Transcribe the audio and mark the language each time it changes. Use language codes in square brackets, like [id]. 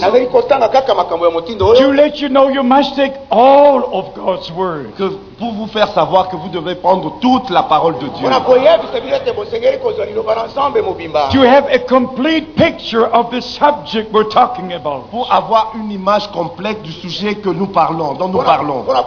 [en] To let you know you must take all of God's word. word. [fr] Que pour vous faire savoir que vous devez prendre toute la parole de Dieu. [en] To have a complete picture of the subject we're talking about. [fr] Pour avoir une image complète du sujet que nous parlons, dont nous parlons.